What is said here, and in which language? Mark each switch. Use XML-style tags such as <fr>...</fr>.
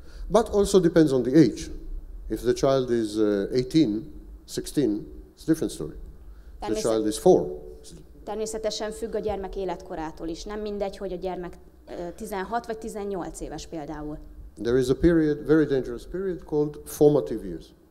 <en>But also depends on the age. If the child is 18, 16, it's a different story. If the child is 4.</en> <hu>Természetesen függ a gyermek életkorától is. Nem mindegy, hogy a gyermek 16 vagy 18 éves például.</hu> <en>There is a period, very dangerous period called formative years.</en>